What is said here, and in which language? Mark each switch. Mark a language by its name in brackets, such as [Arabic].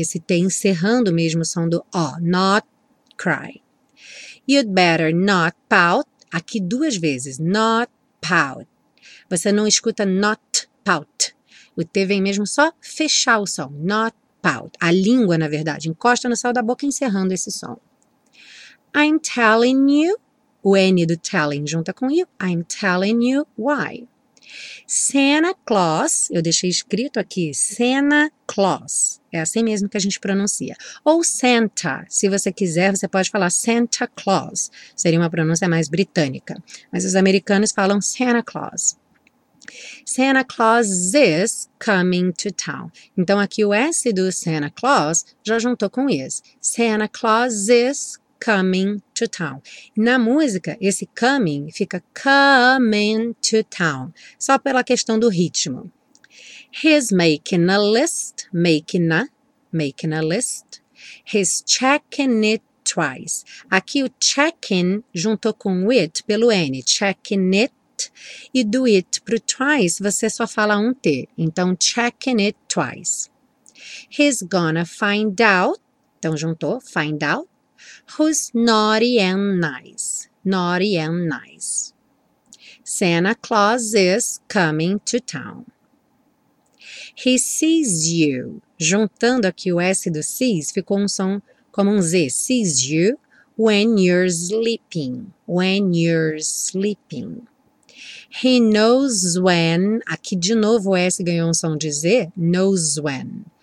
[Portuguese] Esse T encerrando mesmo o som do O, [English] not cry. You'd better not pout. [Portuguese] Aqui duas vezes, [English] not pout. [Portuguese] Você não escuta [English] not pout. [Portuguese] O T vem mesmo só fechar o som, not pout. A língua, na verdade, encosta no céu da boca encerrando esse som. [English] I'm telling you, [Portuguese] o N do telling junta com [English] you, I'm telling you why. [Portuguese] Santa Claus, eu deixei escrito aqui, Santa Claus, é assim mesmo que a gente pronuncia. Ou Santa, se você quiser, você pode falar Santa Claus, seria uma pronúncia mais britânica. Mas os americanos falam Santa Claus. [English] Santa Claus is coming to town. [Portuguese] Então, aqui o S do Santa Claus já juntou com is. [English] Santa Claus is coming to town. [Portuguese] Na música, esse coming fica [English] coming to town, [Portuguese] só pela questão do ritmo. [English] He's making a list, making a list. He's checking it twice. [Portuguese] Aqui o checking juntou com o it pelo N, checking it. E do it pro twice, você só fala um T. [English] Então, checking it twice. He's gonna find out. [Portuguese] Então, juntou, [English] find out. Who's naughty and nice. Naughty and nice. Santa Claus is coming to town. He sees you. [Portuguese] Juntando aqui o S do sees, ficou um som como um Z. [English] Sees you when you're sleeping. When you're sleeping. He knows when, [Portuguese] aqui de novo o S ganhou um som de Z, knows when.